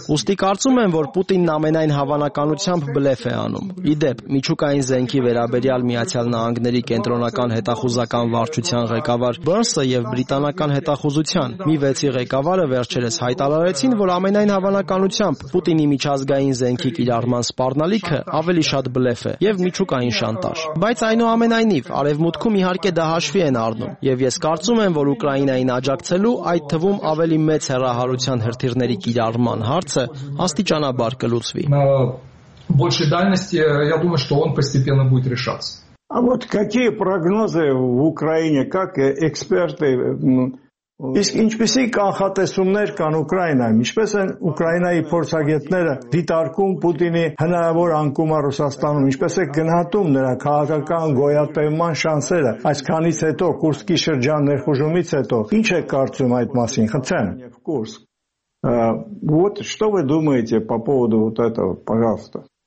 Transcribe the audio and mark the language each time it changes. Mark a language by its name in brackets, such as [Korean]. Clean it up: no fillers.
[Armenian] Ուստի կարծում եմ, որ Պուտինն ամենայն հավանականությամբ բլեֆ է անում։ Ի դեպ, միջուկային զենքի վերաբերյալ Միացյալ Նահանգների կենտրոնական հետախուզական վարչության ղեկավար Բրնսը և բրիտանական հետախուզության Մի6-ի ղեկավարը վերջերս հայտարարեցին, որ ամենայն հավանականությամբ Պուտինի միջազգային զենքի կիրառման սպառնալիքը ավելի շատ բլեֆ է և միջուկային շանտաժ։ Բայց այնուամենայնիվ, արևմուտքում իհարկե դա հաշվի են առնում, և ես կարծում եմ, որ Ուկրաինային աջակցելու այդ թվում ավելի մեծ հեռահարության հրթիռների կիրառման հարցը աստիճանաբար կլուծվի։ [Russian] Больше дальности, я думаю, что он постепенно будет решаться. А вот какие прогнозы в Украине, как эксперты? [Armenian] Իսկ ինչպեսի կանխատեսումներ կան Ուկրաինայում, ինչպես են Ուկրաինայի փորձագետները դիտարկում Պուտինի հնարավոր անկումը Ռուսաստանում, ինչպես է գնահատում նրա քաղաքական գոյատևման շանսերը այսքանից հետո Կուրսկի շրջան ներխուժումից հետո, ինչ է կարծում այդ մասին, խցեն եւ Կուրսկ, [Russian] вот что вы думаете по поводу вот этого, пожалуйста.